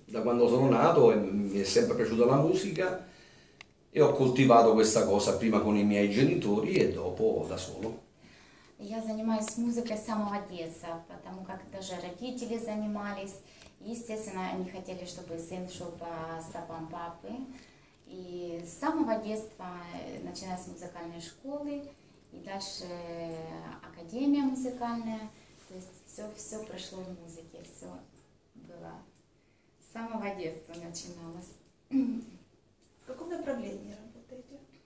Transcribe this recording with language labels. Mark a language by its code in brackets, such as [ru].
[it] Da quando sono nato mi è sempre piaciuta la musica e ho coltivato questa cosa prima con i miei genitori e dopo da solo. [uk] Я займаюся музикою з самого дитинства, тому як навіть батьки займалися. Звісно, вони хотіли, щоб син йшов по стопам папи. [ru] И с самого детства, начиная с музыкальной школы и дальше академия музыкальная, то есть все прошло в музыке, все было. С самого детства начиналось. В каком направлении работаете?